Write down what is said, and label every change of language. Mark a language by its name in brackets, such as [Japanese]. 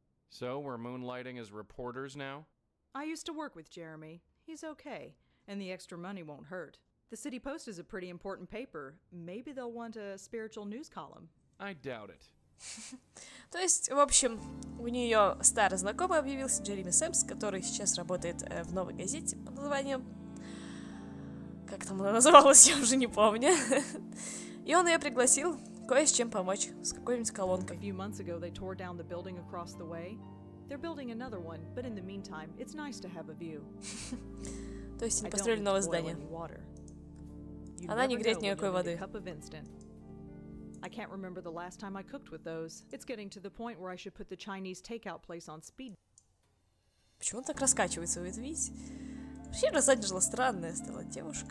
[English] So, we're moonlighting as reporters now? I used to work with Jeremy. He's okay. And the extra money won't hurt. The City Post is a pretty important paper. Maybe they'll want a spiritual news column. I doubt it. [Russian] То есть, в общем, у нее старый знакомый объявился, Джереми Сэмс, который сейчас работает в новой газете под названием... Как там она называлась, я уже не помню. И он ее пригласил кое с чем помочь, с какой-нибудь колонкой. [English] A few months ago they tore down the building across the way. They're building another one, but in the meantime, it's nice to have a view. [Russian] То есть они построили новое здание. Она не греет никакой воды. [English] I can't remember the last time I cooked with those. It's getting to the point where I should put the Chinese takeout place on speed. [Russian] Почему он так раскачивается, вы это видите? Вообще Розанджела странная стала девушка.